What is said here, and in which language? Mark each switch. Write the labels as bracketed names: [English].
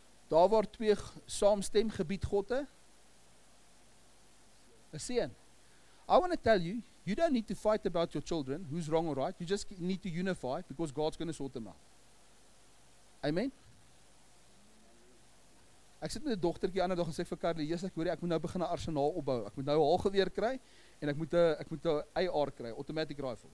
[Afrikaans] Daar waar twee saamstem gebied God, 'n seën. [English] I want to tell you, you don't need to fight about your children, who's wrong or right. You just need to unify because God's going to sort them out. Amen? [Afrikaans] Ek sit met 'n dogtertjie ander dag en sê vir Carly, Jesus, ek hoor jy, ek moet nou begin 'n arsenaal opbou. Ek moet nou 'n halgeweer kry en ek moet 'n AR kry, [English] automatic rifle.